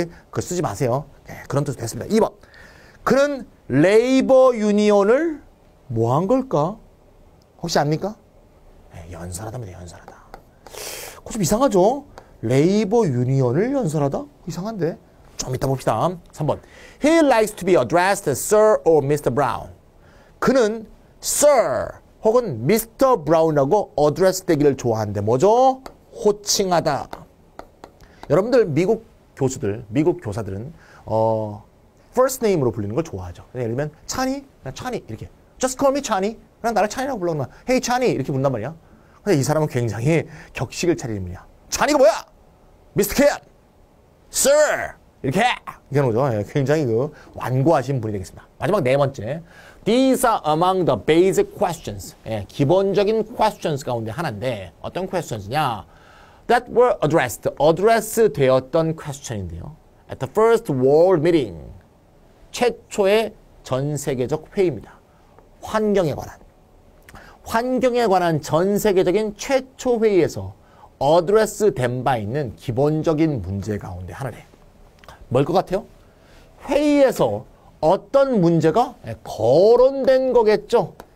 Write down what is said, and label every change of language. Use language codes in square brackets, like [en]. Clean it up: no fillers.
[ko] 그거 쓰지 마세요. 예. 그런 뜻이 됐습니다. 2번. 그는 레이버 유니온을 뭐 한 걸까? 혹시 압니까? 연설하답니다. 연설하다. 그거 좀 이상하죠? 레이버 유니언을 연설하다? 이상한데? 좀 이따 봅시다. 3번. [en] He likes to be addressed as Sir or Mr. [ko] Brown. 그는 Sir 혹은 Mr. Brown하고 address 되기를 좋아하는데 뭐죠? 호칭하다. 여러분들 미국 교수들, 미국 교사들은 first name으로 불리는 걸 좋아하죠. 예를 들면 찬이, 그냥 찬이 이렇게 [en] Just call me [ko] 찬이. 그냥 나를 찬이라고 불러놓으면 헤이 찬이 이렇게 부른단 말이야. 근데 이 사람은 굉장히 격식을 차리는 분이야. 찬이가 뭐야? 미스터 캔! 쓰! 이렇게! 이런 거죠. 굉장히 그 완고하신 분이 되겠습니다. 마지막 네 번째. [en] These are among the basic questions. [ko] 예, 기본적인 questions 가운데 하나인데 어떤 questions냐? [en] That were addressed. Address [ko] 되었던 question인데요. [en] At the first world meeting. [ko] 최초의 전세계적 회의입니다. 환경에 관한. 환경에 관한 전 세계적인 최초 회의에서 어드레스 된 바 있는 기본적인 문제 가운데 하나래. 뭘 것 같아요? 회의에서 어떤 문제가 거론된 거겠죠?